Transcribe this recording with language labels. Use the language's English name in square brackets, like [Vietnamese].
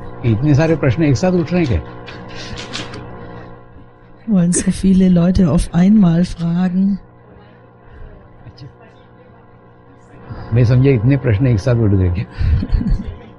[Hindi] इतने सारे प्रश्न एक साथ उठ रहे हैं क्या? [German] Wollen so viele Leute auf einmal fragen? [Hindi] मैं समझा इतने प्रश्न एक साथ उठ गए क्या.